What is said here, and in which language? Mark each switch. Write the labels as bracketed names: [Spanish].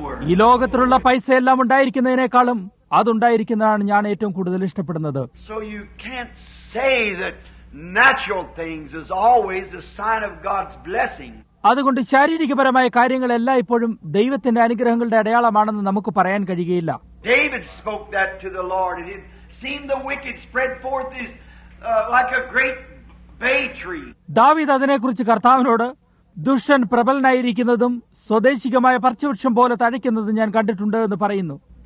[Malayalam] ഈ ലോകത്തിലുള്ള പൈസ എല്ലാം ഉണ്ടായിരിക്കുന്നതിനേക്കാളും അതുണ്ടായിരിക്കുന്നതാണ് ഞാൻ ഏറ്റവും കൂടുതൽ ഇഷ്ടപ്പെടുന്നത്. [English] So you can't say that natural things is always a sign of God's blessing. [Malayalam] അതുകൊണ്ട് ശാരീരികപരമായ കാര്യങ്ങൾ എല്ലായ്പ്പോഴും ദൈവത്തിന്റെ അനുഗ്രഹങ്ങളുടെ അടയാളമാണെന്ന് നമുക്ക് പറയാൻ കഴിയുകയില്ല. [English] David spoke that to the Lord and it seemed the wicked spread forth his like a great bay tree. [Malayalam] ദാവീദ് അതിനെക്കുറിച്ച് കർത്താവിനോട് ദുഷ്ടൻ പ്രബലനായിരിക്കുന്നതും സ്വദേശികമായ പർച്ചവൃക്ഷം പോലെ തഴയ്ക്കുന്നതും ഞാൻ കണ്ടിട്ടുണ്ട് എന്ന് പറയുന്നു.